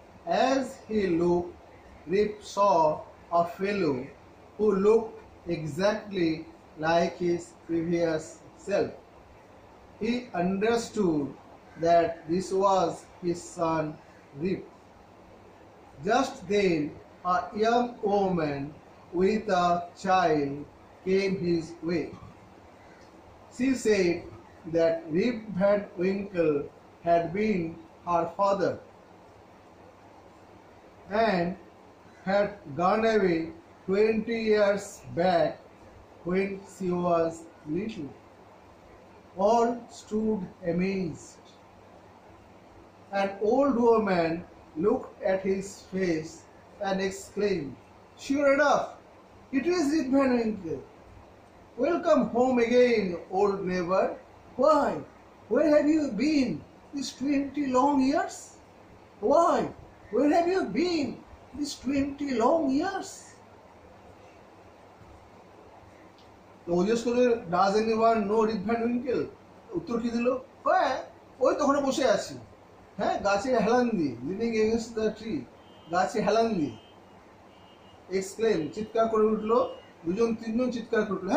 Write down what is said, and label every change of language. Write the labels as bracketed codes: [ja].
[en] As he look, Rip saw a fellow who look exactly like his previous self. He understood that this was his son Rip. Just then a young woman with a child came his way. She said that Rip Van Winkle had been her father and had gone away 20 years back when she was little. All stood amazed. An old woman looked at his face and exclaimed, "Sure enough, it is it, Van Winkle. Welcome home again, old neighbor. Why, where have you been these 20 long years? Why, where have you been these 20 long years?" [bn] তো ওই স্কুলের does any one no rib Van Winkle উত্তর কি দিল, হ্যাঁ ওই তখন বসে আছি, হ্যাঁ গাছে হেলান দিয়ে, লিনিং এগেনস্ট দ্য ট্রি, গাছে হেলান দিয়ে, এক্সক্লেম চিৎকার করে উঠলো, দুজন তিনজন চিৎকার করে উঠলো,